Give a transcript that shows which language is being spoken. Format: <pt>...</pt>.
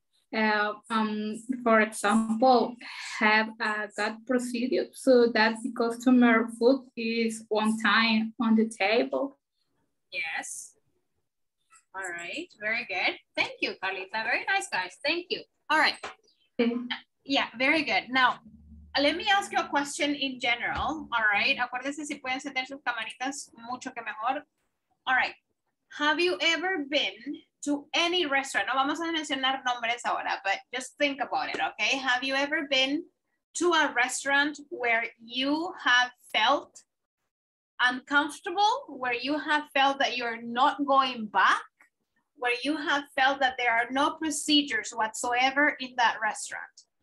<en>For example, have a good procedure so that the customer food is on time on the table. Yes. All right, very good. Thank you, Carlita. Very nice, guys. Thank you. All right. Yeah, very good. Now, let me ask you a question in general. All right.</en> <es>Acuérdense si pueden encender sus camaritas, mucho que mejor.</es> <en>All right. Have you ever been to any restaurant?</en> <es>No vamos a mencionar nombres ahora,</es> <en>but just think about it, okay? Have you ever been to a restaurant where you have felt uncomfortable, where you have felt that you're not going back, where you have felt that there are no procedures whatsoever in that restaurant?</en>